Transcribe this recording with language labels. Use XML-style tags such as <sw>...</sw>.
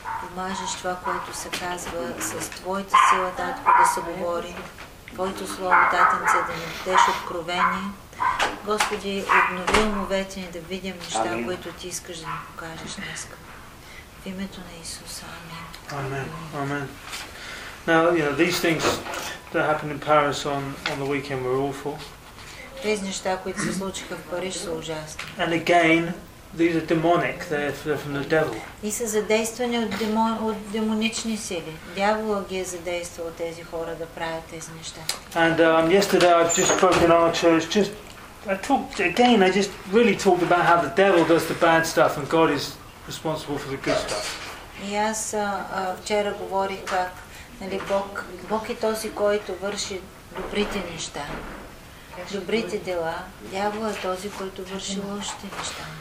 <bg>Помажеш това, което се казва, с твоята сила, Татко, да се говори. Твоето слово, Татенце, да ни дадеш откровение. Господи, обнови умовете ни да видим неща, амин, които ти искаш да ни покажеш днес. В името на Исуса. Амин. Амин. Амин.</bg> <en>Now, you know, these things that happened in Paris on the weekend were awful.</en> <bg>Тези неща, които се случиха в Париж, са ужасни.</bg> <en>And again, these are demonic. They're from the devil.</en> <bg>И са задействани от демонични сили. Дявола ги е задействал тези хора да правят тези неща.</bg> <en>And yesterday I just spoke in our church. I just really talked about how the devil does the bad stuff and God is responsible for the good stuff.</en> <bg>И аз вчера говорих как, нали, Бог е този, който върши добрите неща, добрите дела. Дявол е този, който върши лошите неща.</bg>